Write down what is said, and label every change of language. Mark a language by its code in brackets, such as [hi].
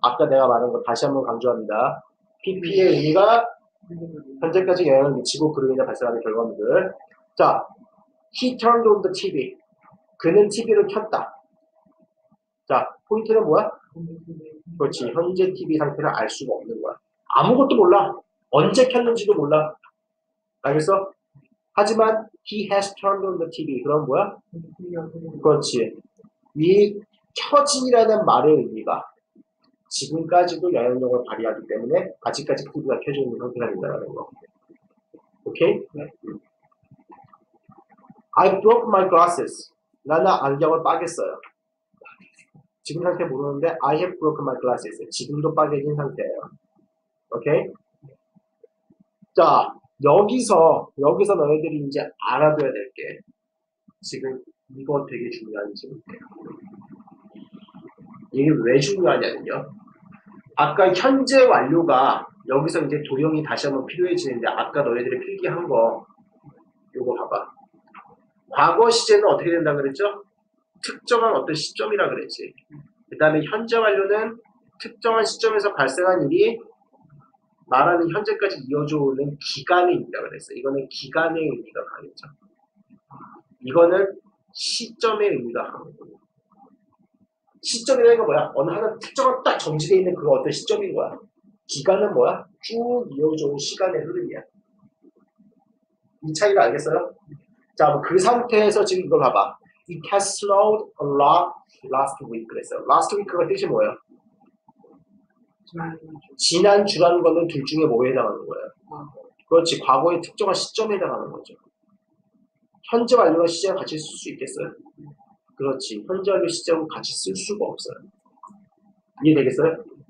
[ko] 아까 내가 말한 걸 다시 한번 강조합니다. PP의 의미가 현재까지 영향을 미치고 그로 인해 발생하는 결과물들. [en] 자, He turned on the TV. [ko] 그는 TV를 켰다. 자, 포인트는 뭐야? 그렇지, 현재 TV 상태를 알 수가 없는 거야. 아무것도 몰라. 언제 켰는지도 몰라. 알겠어? 하지만 [en] he has turned on the TV. [ko] 그럼 뭐야? 그렇지. 이 켜진이라는 말의 의미가 지금까지도 영향력을 발휘하기 때문에 아직까지 TV가 켜져 있는 상태라고 한다는 거. 오케이? [en] I broke my glasses. [ko] 나는 안경을 빠겠어요. 지금 상태 모르는데 [en] I have broken my glasses. [ko] 지금도 빠개진 상태예요. 오케이? 자, 여기서 너희들이 이제 알아둬야 될 게, 지금 이거 되게 중요한 질문이에요. 이게 왜 중요하냐면요. 아까 현재 완료가 여기서 이제 도형이 다시 한번 필요해지는데, 아까 너희들이 필기한 거, 요거 봐봐. 과거 시제는 어떻게 된다 그랬죠? 특정한 어떤 시점이라 그랬지. 그 다음에 현재 완료는 특정한 시점에서 발생한 일이 말하는 현재까지 이어져오는 기간의 의미라고 그랬어요. 이거는 기간의 의미가 강했죠. 이거는 시점의 의미가 강한 거예요. 시점이라는 게 뭐야? 어느 하나 특정한 딱 정지되어 있는 그 어떤 시점인 거야. 기간은 뭐야? 쭉 이어져온 시간의 흐름이야. 이 차이를 알겠어요? 자, 그 상태에서 지금 이걸 봐봐. [en] It has slowed a lot last week [ko] 그랬어요. Last week가 뜻이 뭐예요? 지난주라는 거는 둘 중에 뭐에 해당하는 거예요? 그렇지, 과거의 특정한 시점에 해당하는 거죠. 현재 완료와 시제가 같이 쓸 수 있겠어요? 그렇지, 현재 완료 시제하고 같이 쓸 수가 없어요. 이해되겠어요?